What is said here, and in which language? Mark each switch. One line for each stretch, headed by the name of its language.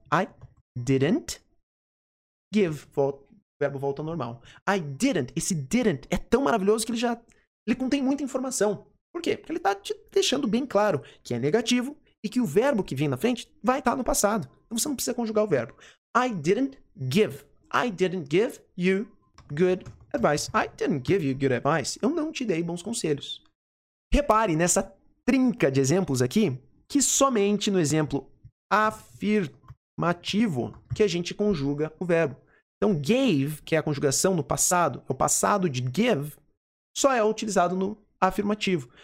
English: I didn't give.
Portuguese: Verbo volta ao normal.
English: I didn't.
Portuguese: Esse didn't é tão maravilhoso que ele contém muita informação. Por quê? Porque ele está te deixando bem claro que é negativo e que o verbo que vem na frente vai estar no passado. Então, você não precisa conjugar o verbo.
English: I didn't give. I didn't give you good advice. I didn't give you good advice.
Portuguese: Eu não te dei bons conselhos. Repare nessa trinca de exemplos aqui, que somente no exemplo afirmativo que a gente conjuga o verbo. Então, gave, que é a conjugação no passado, o passado de give, só é utilizado no afirmativo.